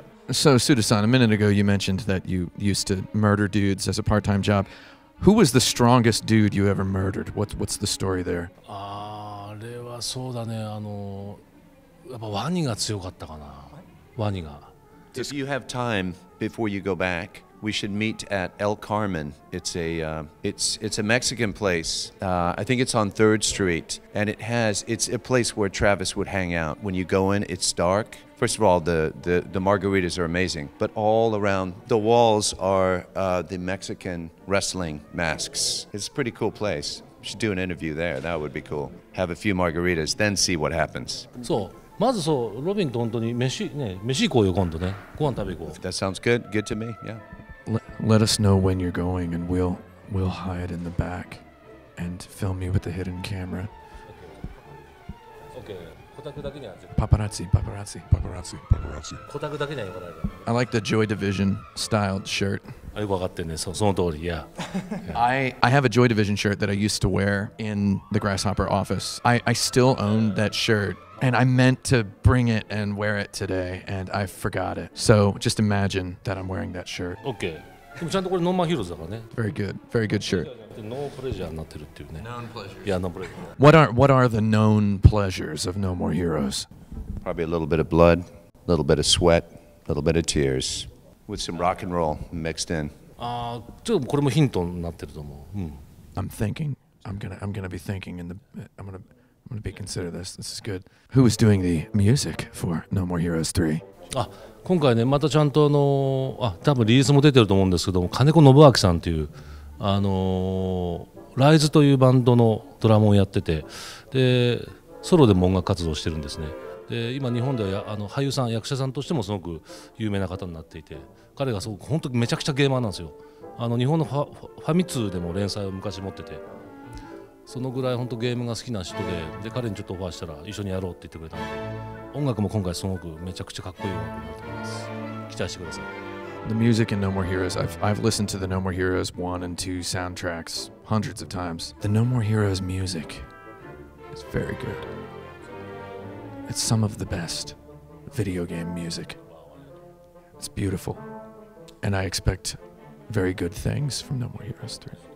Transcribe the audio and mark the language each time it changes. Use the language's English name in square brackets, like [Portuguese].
[English] So Suda-san, a minute ago you mentioned that you used to murder dudes as a part-time job. Who was the strongest dude you ever murdered? What's the story there? [Japanese] あれはそうだね、やっぱワニが強かったかな。ワニが。 [English] If you have time before you go back, we should meet at El Carmen. It's a it's a Mexican place. I think it's on 3rd Street, and it has it's a place where Travis would hang out. When you go in, it's dark. First of all, the margaritas are amazing, but all around the walls are the Mexican wrestling masks. It's a pretty cool place. We should do an interview there. That would be cool. Have a few margaritas, then see what happens. So. [Japanese] まずそう、ロビンと本当に飯ね、飯行こうよ今度ね。ご飯食べ行こう。 [English] That sounds good. Good to me. Yeah. Let us know when you're going and we'll hide in the back and film you with the hidden camera. Okay. [Japanese] Kotaku だけには [English] 。 Paparazzi, paparazzi, paparazzi, paparazzi. [Japanese] Kotaku だけには行かないか。 [English] I like the Joy Division styled shirt. [Japanese] あ、よく分かってんね。その通り、 [English] yeah. I have a Joy Division shirt that I used to wear in the Grasshopper office. I still own that shirt. And I meant to bring it and wear it today, and I forgot it. So just imagine that I'm wearing that shirt. Okay. [Japanese] でもちゃんとこれノーマンヒーローズだからね。 [English] Very good. Very good shirt. [Japanese] ノープレジャーになってるっていうね。 [English] Known pleasures. Yeah, known pleasures. What are the known pleasures of No More Heroes? Probably a little bit of blood, a little bit of sweat, a little bit of tears, with some rock and roll mixed in. [Japanese] ああ、ちょっとこれもヒントになってると思う。うん。 [English] I'm thinking. I'm gonna be thinking in the. I'm going to be considered this. This is good. Who was doing the music for No More Heroes 3? [Japanese] Ah, 今回ね、またちゃんとあの、あ、多分リリースも出てると思うんですけども、金子信明さんっていう、あの、ライズというバンドのドラムをやってて、で、ソロでも音楽活動してるんですね。で、今日本ではや、あの、俳優さん、役者さんとしてもすごく有名な方になっていて、彼がすごく本当にめちゃくちゃゲーマーなんですよ。あの、日本のファミ通でも連載を昔持ってて、そのぐらい本当ゲームが好きな人 で彼にちょっとオファーしたら一緒にやろうって言ってくれたので音楽も今回すごくめちゃくちゃかっこいい音楽になると思います期待してください [English] The music in No More Heroes I've listened to the No More Heroes 1 and 2 soundtracks hundreds of times The No More Heroes music is very good It's some of the best video game music It's beautiful And I expect very good things from No More Heroes 3